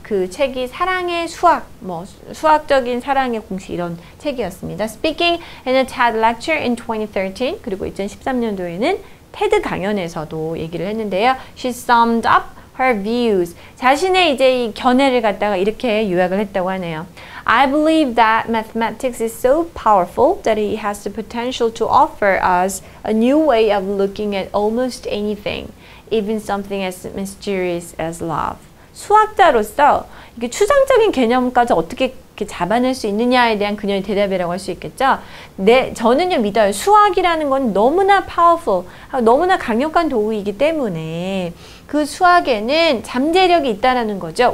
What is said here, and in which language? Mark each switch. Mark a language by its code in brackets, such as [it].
[ko] 그 책이 사랑의 수학, 뭐 수학적인 사랑의 공식 이런 책이었습니다. [en] Speaking in a TED lecture in 2013, [ko] 그리고 2013년도에는 TED 강연에서도 얘기를 했는데요. [en] She summed up her views. [ko] 자신의 이제 이 견해를 갖다가 이렇게 요약을 했다고 하네요. [en] I believe that mathematics is so powerful that it has the potential to offer us a new way of looking at almost anything, even something as mysterious as love. [ko] 수학자로서 이게 추상적인 개념까지 어떻게 이렇게 잡아낼 수 있느냐에 대한 그녀의 대답이라고 할 수 있겠죠. 네, 저는요 믿어요. 수학이라는 건 너무나 powerful, 너무나 강력한 도구이기 때문에 그 수학에는 잠재력이 있다라는 거죠.